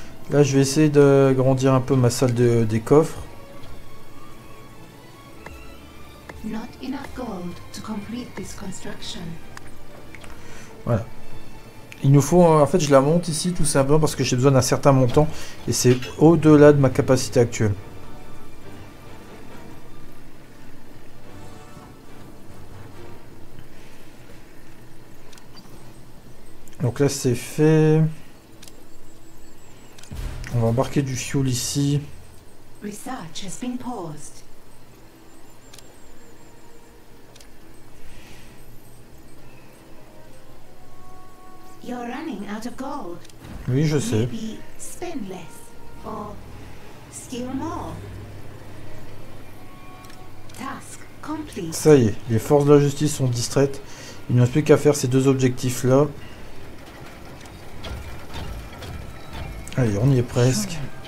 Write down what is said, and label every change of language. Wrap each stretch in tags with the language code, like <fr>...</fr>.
<fr>Là, je vais essayer de grandir un peu ma salle de des coffres.</fr> <en>Not enough gold to complete this construction.</en> <fr>Voilà. Il nous faut, en fait, je la monte ici tout simplement parce que j'ai besoin d'un certain montant et c'est au-delà de ma capacité actuelle. Donc là c'est fait. On va embarquer du fuel ici.</fr> <en>Research has been paused. You're running out of gold.</en> <fr>Oui, je sais.</fr> <en>Maybe spend less or steal more. Task complete.</en> <fr>Ça y est, les forces de la justice sont distraites. Il ne reste plus qu'à faire ces deux objectifs là. Allez, on y est presque.</fr>